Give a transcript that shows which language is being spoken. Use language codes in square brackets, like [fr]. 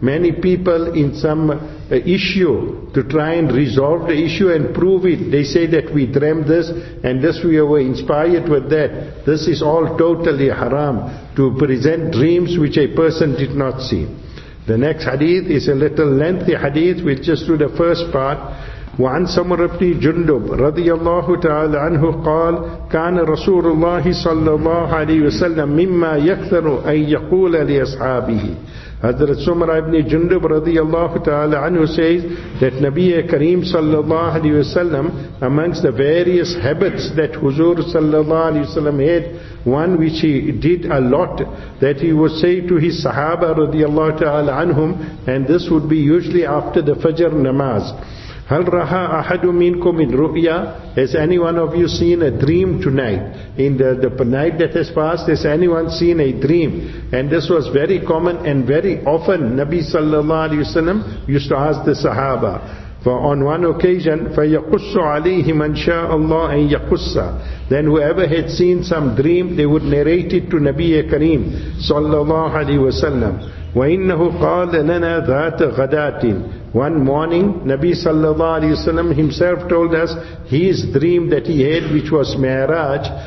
[en] Many people in some issue, to try and resolve the issue and prove it, they say that we dreamt this and this, we were inspired with that. This is all totally haram, to present dreams which a person did not see. The next hadith is a little lengthy hadith. We'll just do the first part. [ar] وعن سمر بن جندب رضي الله تعالى عنه قال كان رسول الله صلى الله عليه وسلم مما يكثر أن يقول لأصحابه. [en] Hazrat Sumra ibn Jundub radiyallahu ta'ala anhu says that Nabi Kareem sallallahu alayhi wa sallam, amongst the various habits that Huzur sallallahu alayhi wa sallam had, one which he did a lot, that he would say to his Sahaba radiyallahu ta'ala anhum, and this would be usually after the Fajr namaz, [ar] هل رها أحد منكم من رؤيا؟ [en] Has any one of you seen a dream tonight? In the night that has passed, has anyone seen a dream? And this was very common, and very often Nabi sallallahu alayhi wa sallam used to ask the Sahaba. For on one occasion, [ar] فَيَقُصُّ عَلَيْهِ مَنْ شَاءَ اللَّهُ أَنْ يَقُصَّ. [en] Then whoever had seen some dream, they would narrate it to Nabi Kareem sallallahu alayhi wa sallam. [ar] وَإِنَّهُ قَالَ لَنَا ذَاتَ غَدَاتٍ. [en] One morning, Nabi sallallahu alayhi wa sallam himself told us his dream that he had, which was Mi'raj.